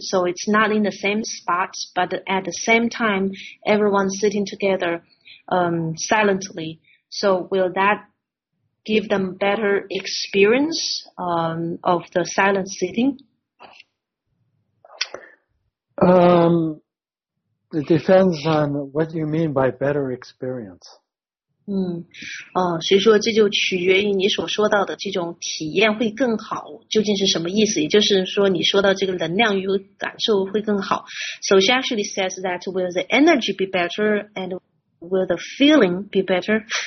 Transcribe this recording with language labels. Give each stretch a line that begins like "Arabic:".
English: So it's not in the same spot, but at the same time, everyone sitting together silently. So will that give them better experience of the silent sitting? It depends on what you mean by better experience.
Chinese: 所以说这就取决于你所说到的这种体验会更好，究竟是什么意思？也就是说你说到这个能量与感受会更好。
English: So she actually says that will the energy be better and will the feeling be better?